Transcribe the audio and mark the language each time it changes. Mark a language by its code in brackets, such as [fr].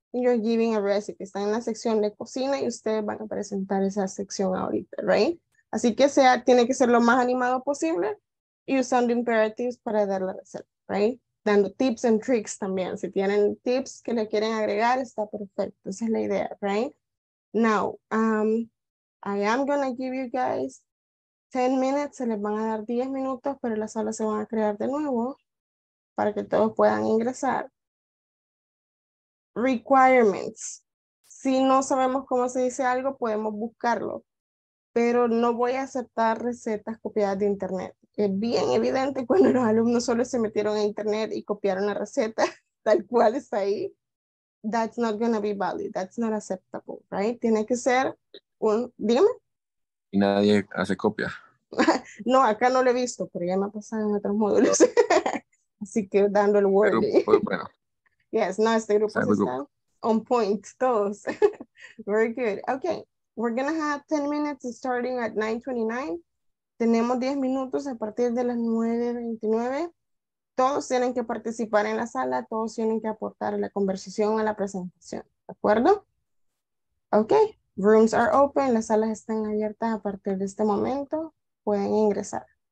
[en] You're giving a recipe. [es] Están en la sección de cocina y ustedes van a presentar esa sección ahorita, ¿right? Así que sea, tiene que ser lo más animado posible y usando imperatives para dar la receta, ¿right? Dando [en] tips and tricks [es] también. Si tienen tips que le quieren agregar, está perfecto. Esa es la idea, ¿right? [en] Now, I am going to give you guys 10 minutes. [es] Se les van a dar 10 minutos, pero las salas se van a crear de nuevo para que todos puedan ingresar. Requirements. Si no sabemos cómo se dice algo, podemos buscarlo. Pero no voy a aceptar recetas copiadas de internet. Es bien evidente cuando los alumnos solo se metieron a internet y copiaron la receta tal cual está ahí. [en] That's not going to be valid. That's not acceptable, right? [es] Tiene que ser un... Dígame. Y nadie hace copia. No, acá no lo he visto, pero ya me ha pasado en otros módulos. Así que dando el word. Pero, bueno. Yes, no, este grupo está [en] on point, [es] todos. [en] Very good. Okay, we're going to have 10 minutes starting at 9:29. [es] Tenemos 10 minutos a partir de las 9:29. Todos tienen que participar en la sala, todos tienen que aportar a la conversación, a la presentación, ¿de acuerdo? [en] Okay, rooms are open, [es] las salas están abiertas a partir de este momento, pueden ingresar.